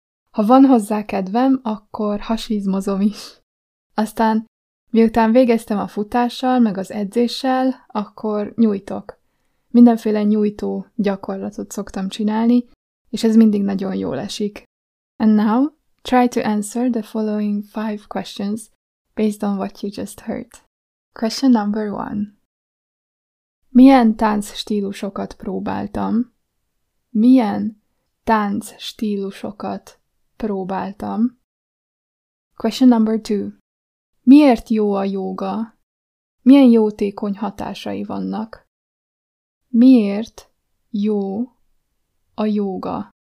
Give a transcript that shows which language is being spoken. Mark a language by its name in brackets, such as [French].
[Hungarian] Ha van hozzá kedvem, akkor hasizmozom is. Aztán, miután végeztem a futással, meg az edzéssel, akkor nyújtok. Mindenféle nyújtó gyakorlatot szoktam csinálni, és ez mindig nagyon jól esik. [English] And now, try to answer the following 5 questions based on what you just heard. Question number 1. [Hungarian] Milyen tánc stílusokat próbáltam? Milyen tánc stílusokat próbáltam? [English] Question number 2. [Hungarian] Miért jó a jóga? Milyen jótékony hatásai vannak? Miért jó a jóga?